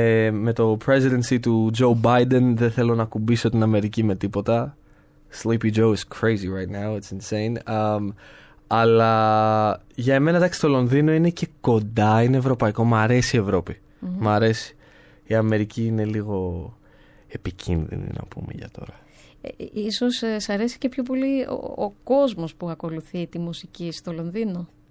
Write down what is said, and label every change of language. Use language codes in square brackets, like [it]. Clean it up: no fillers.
[el] Με το presidency του Joe Biden δεν θέλω να κουμπίσω την Αμερική με τίποτα. [en] Sleepy Joe is crazy right now, it's insane. [el] Αλλά για εμένα, εντάξει, το Λονδίνο είναι και κοντά, είναι ευρωπαϊκό. Μ' αρέσει η Ευρώπη. Μ' αρέσει. Η Αμερική είναι λίγο επικίνδυνη, να πούμε για τώρα. Ίσως σ' αρέσει και πιο πολύ ο κόσμος που ακολουθεί τη μουσική στο Λονδίνο.